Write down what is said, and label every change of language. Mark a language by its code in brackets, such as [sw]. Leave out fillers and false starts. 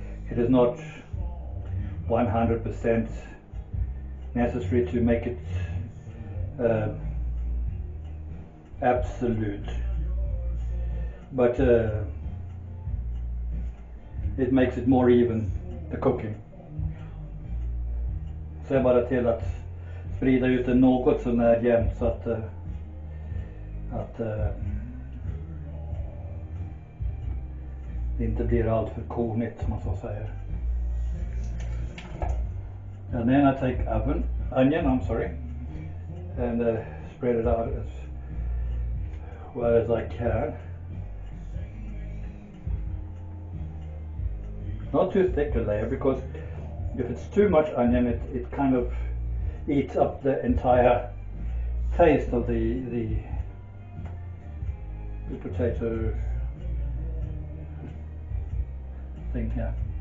[en] It is not 100% necessary to make it absolute. But it makes it more even, the cooking. [sv] Så jag bara till att sprida ut det något som är jämnt så att det inte blir allt för kornigt, som man så säger. [en] And then I take onion, and spread it out as well as I can. Not too thick a layer, because if it's too much onion, it kind of eats up the entire taste of the potato thing here.